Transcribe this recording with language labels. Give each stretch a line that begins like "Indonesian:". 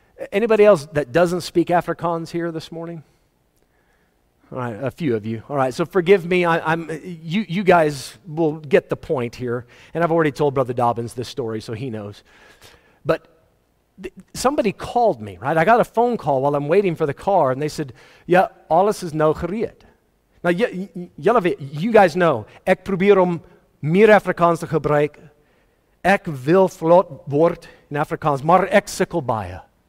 English: Anybody else that doesn't speak Afrikaans here this morning? All right, a few of you. All right, so forgive me. You guys will get the point here. And I've already told Brother Dobbins this story, so he knows. But somebody called me, right? I got a phone call while I'm waiting for the car, and they said,
Afrikaans: ja, alles is nou gereed.
English: Now, you guys know,
Afrikaans: ek probeer om meer Afrikaans te gebruik. Ek wil vlot word in Afrikaans, maar ek sikkel baie.